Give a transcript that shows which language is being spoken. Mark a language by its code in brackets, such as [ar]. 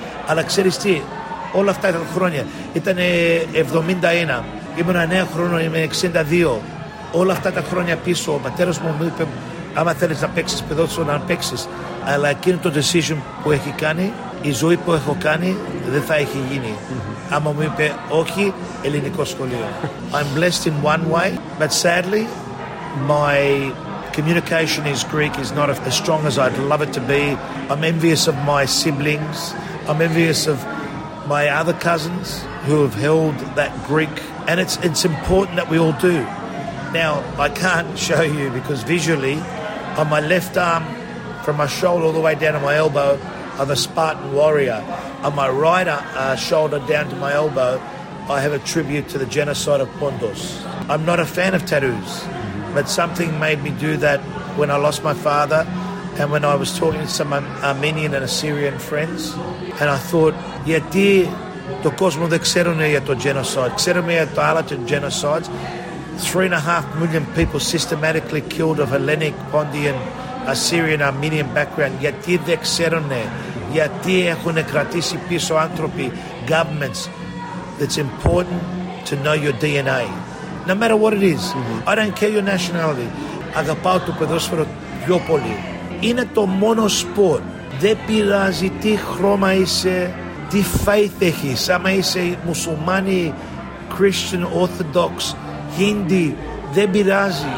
[el] Αλλά ξέρεις τι, όλα αυτά τα χρόνια, ήταν 71, ήμουν 9 χρόνια, είμαι 62. Όλα αυτά τα χρόνια πίσω, ο πατέρας μου μου είπε, άμα θέλεις να παίξεις ποδόσφαιρο, να παίξεις. Αλλά εκείνο το decision που έχει κάνει, η ζωή που έχω κάνει δεν θα έχει γίνει. Mm-hmm. Άμα μου είπε όχι, ελληνικό σχολείο. [en] I'm blessed in one way, but sadly, my communication is Greek is not as strong as I'd love it to be. I'm envious of my siblings. I'm envious of my other cousins who have held that Greek. And it's important that we all do. Now, I can't show you because visually, on my left arm, from my shoulder all the way down to my elbow, I'm a Spartan warrior. On my right shoulder down to my elbow, I have a tribute to the genocide of Pontus. I'm not a fan of tattoos, but something made me do that when I lost my father and when I was talking to some Armenian and Assyrian friends. And I thought, [el] γιατί το κόσμο δεν ξέρουν για το genocide. Ξέρουμε για το άλλο το genocide. [en] 3.5 million people systematically killed of Hellenic, Pontian, Assyrian, Armenian background. [el] Γιατί δεν ξέρουνε, γιατί έχουν κρατήσει πίσω άνθρωποι, governments. [en] It's important to know your DNA, no matter what it is. Mm-hmm. I don't care your nationality. [el] Αγαπάω το ποδόσφαιρο πιο πολύ. Είναι το μόνο σπορ. Δεν πειράζει τι χρώμα είσαι, τι faith έχεις. Άμα είσαι μουσουλμάνι, Christian, Orthodox, Hindi, δεν πειράζει.